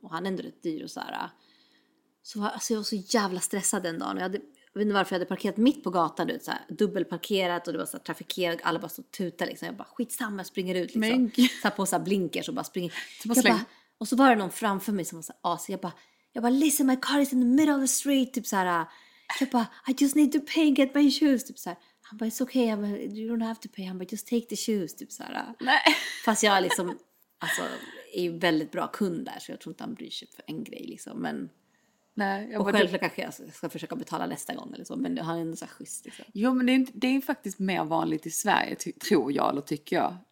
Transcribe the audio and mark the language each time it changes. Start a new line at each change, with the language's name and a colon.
Swedish: Och han är ändå rätt dyr och så här. Så alltså, jag var så jävla stressad den dagen. Jag vet inte varför jag hade parkerat mitt på gatan. Så här, dubbelparkerat och det var så här, trafikerat. Alla bara stod tuta liksom. Jag bara, skitsamma, jag springer ut liksom. Så här, på så här blinkers och bara springer. Och så var det någon framför mig som var så här asig. Jag bara,
English: listen, my car is in the middle of the street.
Swedish: Typ så här. Jag bara,
English: I just need to pay and get my shoes.
Swedish: Typ så här. Han bara,
English: it's okay, you don't have to pay.
Swedish: Han bara,
English: just take the shoes,
Swedish: typ såhär. Nej. Fast jag liksom, alltså, är ju väldigt bra kund där. Så jag tror inte han bryr sig för en grej, liksom. Men, nej, jag och bara, självklart kanske jag ska försöka betala nästa gång, eller så. Men han är ändå såhär schysst, liksom. Jo, men det är faktiskt mer vanligt i Sverige, tror jag, eller tycker jag.